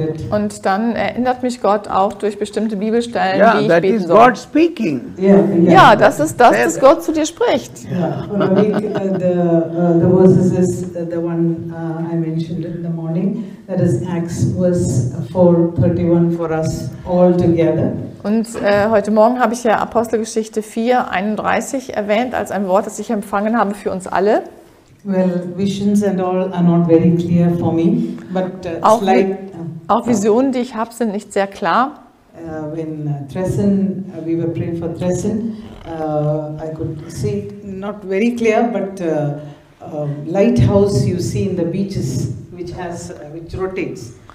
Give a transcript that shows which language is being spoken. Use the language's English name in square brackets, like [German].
[German] Und dann erinnert mich Gott auch durch bestimmte Bibelstellen, [English] yeah, [German] wie ich [English] that [German] beten [English] is [German] soll. [English] God speaking. Yeah, yeah. [German] Ja, das ist das, dass Gott zu dir spricht. [English] The verses is the one I mentioned in the morning. That is Acts verse 4:31 for us all together. [German] Und heute Morgen habe ich ja Apostelgeschichte 4:31 erwähnt als ein Wort, das ich empfangen habe für uns alle. [English] Well, visions and all are not very clear for me, but [German] auch Visionen, die ich habe, sind nicht sehr klar. [English] When Tresen, we were praying for Tresen, I could see not very clear, but lighthouse you see in the beaches, which rotates.